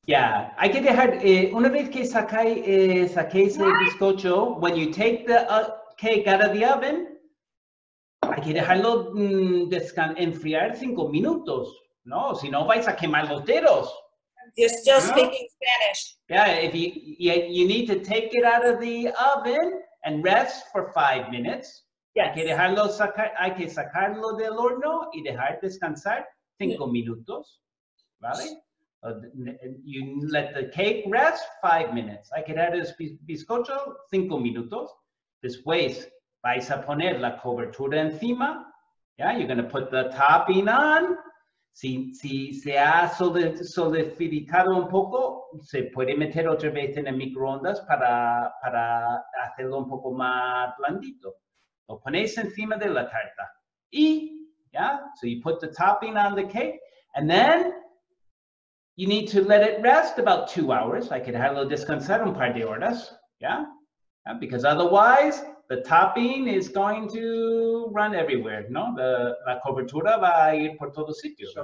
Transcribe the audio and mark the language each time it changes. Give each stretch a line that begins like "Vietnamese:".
Spanish: Yeah. Hay que dejar, una vez que saquéis el bizcocho,
English: when you take the cake out of the oven,
Spanish: hay que dejarlo enfriar 5 minutos. No, si no vais a quemar los dedos.
English: You're still speaking Spanish. Yeah, if you need to take it out of the oven and rest for 5 minutes. Yes.
Spanish: Hay que sacarlo del horno y dejar descansar 5 minutos. Vale?
English: You let the cake rest 5 minutes.
Spanish: Hay que dejar el bizcocho 5 minutos. Después, vais a poner la cobertura encima.
English: Yeah, you're going to put the topping on.
Spanish: Si se ha solidificado un poco, se puede meter otra vez en el microondas para hacerlo un poco más blandito. Lo ponéis encima de la tarta.
English: Y, yeah, so you put the topping on the cake, and then you need to let it rest about 2 hours. I could have a little
Spanish: descansar un par de horas,
English: yeah? Yeah? Because otherwise, the topping is going to run everywhere, no?
Spanish: La cobertura va a ir por todo sitio.